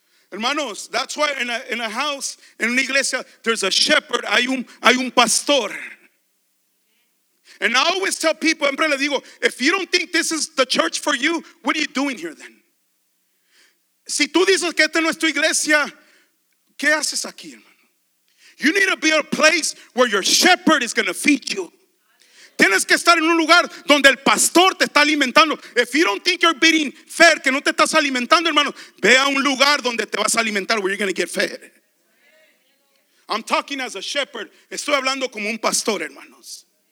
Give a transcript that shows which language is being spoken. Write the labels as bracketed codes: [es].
[en] Hermanos, that's why in a house, in [es] una iglesia, [en] there's a shepherd. [es] Hay un pastor. [en] And I always tell people, [es] siempre le digo, [en] if you don't think this is the church for you, what are you doing here then? [es] Si tú dices que esta no es tu iglesia, ¿qué haces aquí, hermano? [en] You need to be a place where your shepherd is going to feed you. [es] Tienes que estar en un lugar donde el pastor te está alimentando. [en] If you don't think you're being fed, [es] que no te estás alimentando, hermano, ve a un lugar donde te vas a alimentar, [en] where you're going to get fed. I'm talking as a shepherd. [es] Estoy hablando como un pastor, hermanos.